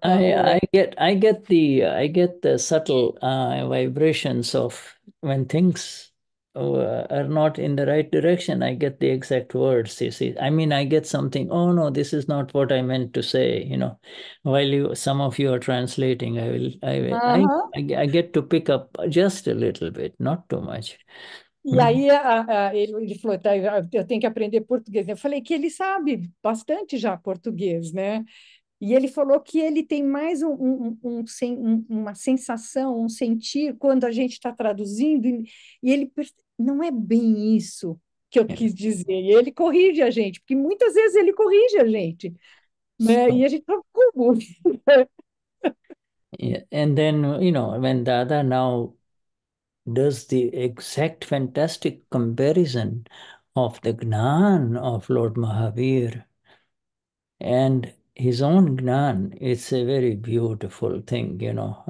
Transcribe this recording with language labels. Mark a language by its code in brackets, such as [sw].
[en] I get the subtle vibrations of when things are not in the right direction. I get the exact words, you see. I mean, I get something, oh no, this is not what I meant to say, you know. While you some of you are translating, I get to pick up just a little bit, not too much. [pt] E aí ele falou, tá, eu tenho que aprender português. Eu falei que ele sabe bastante já português, né? E ele falou que ele tem mais uma sensação, um sentir, quando a gente está traduzindo, e ele não é bem isso que eu quis dizer. E ele corrige a gente, porque muitas vezes ele corrige a gente, né? E a gente fala, como? [en] Yeah. And then, you know, when Dada now does the exact fantastic comparison of the Gnan of Lord Mahavir and his own Gnan, it's a very beautiful thing, you know.